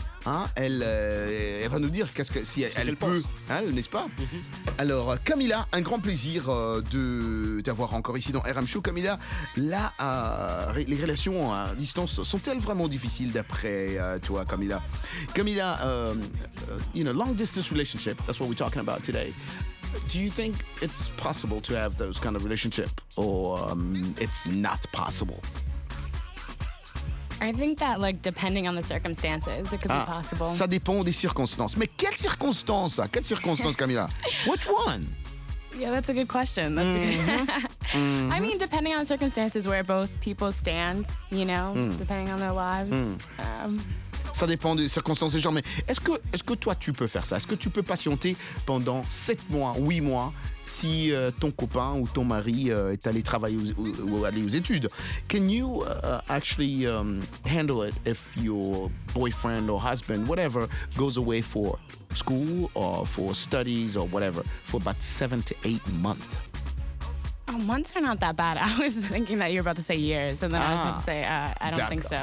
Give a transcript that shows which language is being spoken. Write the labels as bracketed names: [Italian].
[French] Hein, elle va nous dire qu'est-ce que si elle peut, hein, n'est-ce pas? Alors Camila, un grand plaisir de t'avoir encore ici dans RM Show. Camila, là, les relations à distance sont-elles vraiment difficiles d'après toi, Camila? [English] Camila, in a long distance relationship, that's what we're talking about today. Do you think it's possible to have those kind of relationship, or it's not possible? I think that, like, depending on the circumstances, it could be possible. [French] Ça dépend des circonstances. Mais quelles circonstances, ça? Quelles circonstances, Camila? [English] Which one? Yeah, that's a good question. That's mm-hmm. a good... mm-hmm. I mean, depending on the circumstances where both people stand, you know, depending on their lives. Mm. [French] Ça dépend des circonstances des gens. Mais est-ce que toi, tu peux faire ça? Est-ce que tu peux patienter pendant 7 mois, 8 mois, si ton copain ou ton mari est allé travailler ou aller aux études? [English] Can you actually handle it if your boyfriend or husband, whatever, goes away for school or for studies or whatever, for about 7 to 8 months? Months are not that bad. I was thinking that you were about to say years, and then I was about to say I don't think so.